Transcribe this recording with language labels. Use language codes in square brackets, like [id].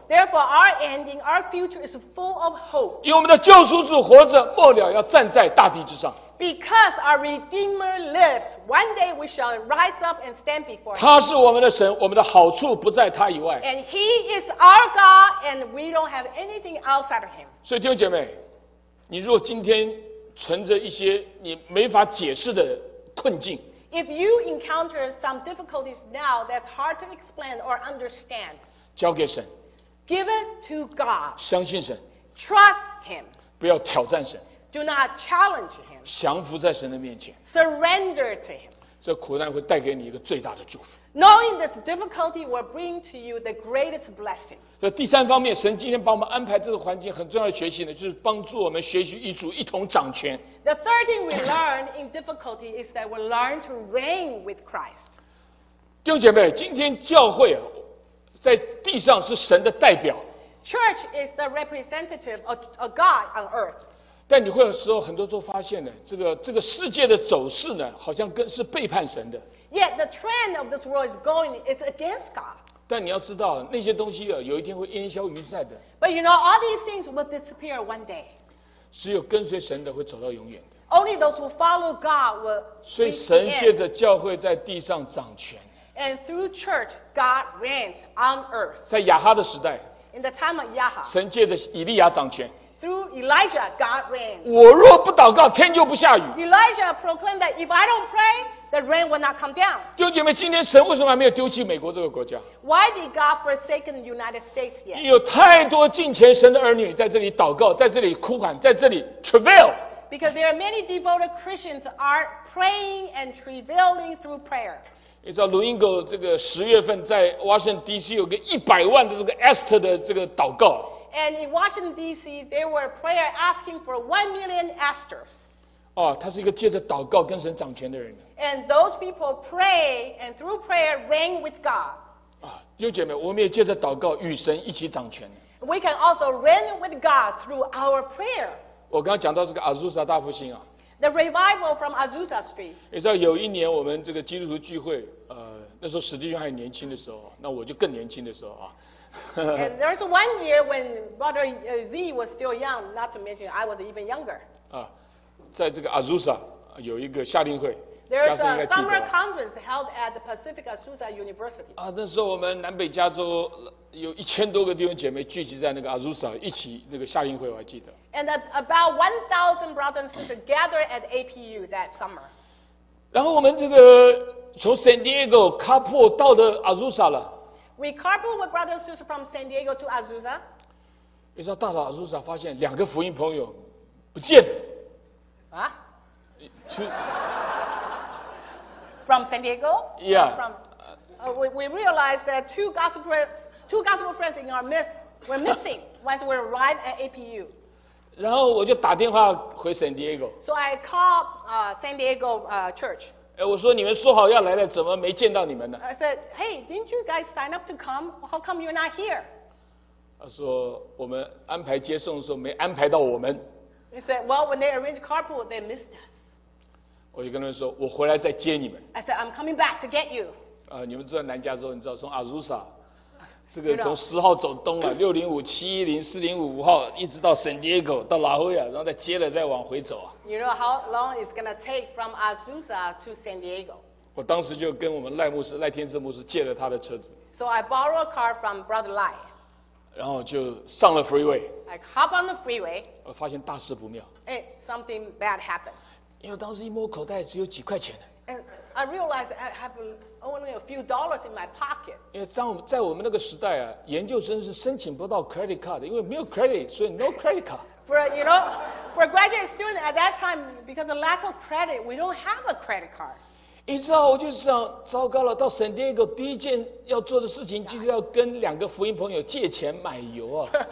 [en] Therefore, our ending, our future is full of hope. [zh] 因为我们的救赎主活着，末了要站在大地之上。 [en] Because our Redeemer lives, one day we shall rise up and stand before Him. [zh] 他是我们的神，我们的好处不在他以外。 [en] And He is our God, and we don't have anything outside of Him. [zh] 所以弟兄姐妹，你如果今天存着一些你没法解释的困境， [en] If you encounter some difficulties now that's hard to explain or understand, [zh] 交给神。 [en] Give it to God. [zh] 相信神。 [en] Trust Him. [zh] 不要挑战神。 [en] Do not challenge Him. [zh] 降服在神的面前。 [en] Surrender to Him. [zh] 这苦难会带给你一个最大的祝福。 [en] Knowing this difficulty will bring to you the greatest blessing. [zh] 这第三方面，神今天帮我们安排这个环境很重要的学习呢，就是帮助我们学习与主一同掌权。 [en] The third thing we learn in difficulty is that we learn to reign with Christ. [zh] 弟兄姐妹，今天教会在地上是神的代表。 [en] Church is the representative of God on earth. [zh] 但你会有时候很多时候发现呢，这个世界的走势呢，好像更是背叛神的。 [en] Yet the trend of this world is going is against God. [zh] 但你要知道，那些东西啊，有一天会烟消云散的。 [en] But you know all these things will disappear one day. [zh] 只有跟随神的会走到永远的。 [en] Only those who follow God will. [zh] 所以神借着教会在地上掌权。 [en] And through church, God reigns on earth. [zh] 在亚哈的时代。 [en] In the time of Yahya. [zh] 神借着以利亚掌权。 [en] Through Elijah, God reigns. [zh] 我若不祷告，天就不下雨。 [en] Elijah proclaimed that if I don't pray, the rain will not come down. [zh] 弟兄姐妹，今天神为什么还没有丢弃美国这个国家？ [en] Why did God forsaken the United States yet? [zh] 有太多敬虔神的儿女在这里祷告，在这里哭喊，在这里 travail. [en] Because there are many devoted Christians are praying and travailing through prayer. [zh] 你知道卢英格这个十月份在 Washington D.C. 有个100万的这个 Esther 的这个祷告。 [en] And in Washington D.C., there were prayer asking for 1 million Esthers. [zh] 哦，他是一个借着祷告跟神掌权的人。 [en] And those people pray and through prayer reign with God. [zh] 啊，弟兄姐妹，我们也借着祷告与神一起掌权。 [en] We can also reign with God through our prayer. [zh] 我刚刚讲到这个阿苏萨大复兴啊。 [en] The revival from Azusa Street. [zh] 你知道有一年我们这个基督徒聚会，那时候史蒂芬还年轻的时候，那我就更年轻的时候啊。 [en] And there was one year when Brother Z was still young, not to mention I was even younger. [zh] 啊，在这个 Azusa 有一个夏令会。 [en] There's a summer conference held at the Pacific Azusa University. [zh] 啊，那时候我们南北加州有1000多个弟兄姐妹聚集在那个 Azusa 一起那个夏令会，我还记得。 [en] And about 1,000 brothers and sisters gathered at APU that summer. [zh] 然后我们这个从 San Diego 卡坡到的 Azusa 了。 [en] We carpool with brothers and sisters from San Diego to Azusa. [zh] 你知道到了 Azusa 发现两个福音朋友不见的。啊？ [en] From San Diego? Yeah. From, we realized that two gospel, two gospel friends in our midst were missing once we arrived at APU. [zh] 然后我就打电话回 San Diego. [en] So I called San Diego church. [zh] 我说你们说好要来的，怎么没见到你们呢？ [en] I said, hey, didn't you guys sign up to come? How come you're not here? [zh] 他说我们安排接送的时候没安排到我们。 [en] He said, well, when they arranged carpool, they missed us. [zh] 我就跟他们说，我回来再接你们。 [en] I said, I'm coming back to get you. [zh] 你们住在南加州，你知道从 Azusa。这个从十号走东了，六零五、七一零、四零五、五号，一直到 San Diego 到拉霍亚，然后再接了再往回走啊。 [en] You know how long it's gonna take from Azusa to San Diego? [zh] 我当时就跟我们赖牧师、赖天赐牧师借了他的车子。 [en] So I borrow a car from Brother Lai. [zh] 然后就上了 freeway. [en] I hop on the freeway. [zh] 我发现大事不妙。 [en] Hey, something bad happened. [zh] 因为当时一摸口袋只有几块钱。 [en] And I realized I have only a few dollars in my pocket. [zh] 因为在我们那个时代啊，研究生是申请不到 credit card 的，因为没有 credit， 所以 [en] no credit card. For graduate student at that time, because of lack of credit, we don't have a credit card. [zh] 你知道，我就想，糟糕了，到 San Diego 第一件要做的事情就是要跟两个福音朋友借钱买油啊。